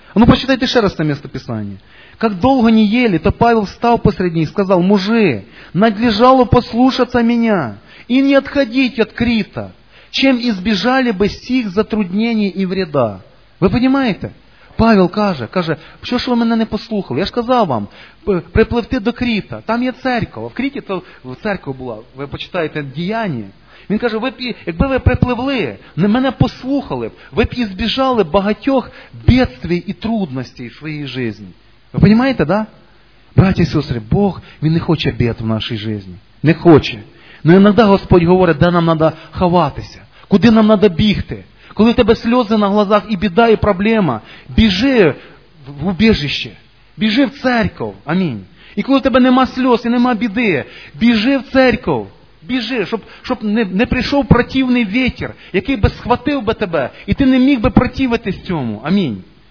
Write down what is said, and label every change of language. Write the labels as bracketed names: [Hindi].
[Russian] Почитайте еще раз на место Писания. Как долго не ели, то Павел встал посередине и сказал, мужи, надлежало послушаться меня и не отходить от Крита. Чем избежали бы сих затруднений и вреда. Вы понимаете? Павел каже, что ж вы меня не послухали? Я же сказал вам, приплывте до Крита, там есть церковь. В Крите то церковь была, вы почитаете Деяния. [Ukrainian] Он каже, якби ви припливли, не мене послухали, ви б избежали багатьох бедствий і трудностей в своїй житті. Ви понимаете, да? [Russian] Братья и сестры, [Ukrainian] Бог, він не хоче бед в нашій житті. Не хоче. [Russian] Но иногда Господь говорит, да нам надо ховатися, куди нам надо бігти. [Ukrainian] Коли у тебе сльози на глазах і біда, і проблема, біжи в убежище, біжи в церковь, амінь. І коли у тебе нема сльоз і нема біди, біжи в церковь, біжи, щоб не прийшов противний вітер, який би схватив би тебе, і ти не міг би противитись цьому, амінь.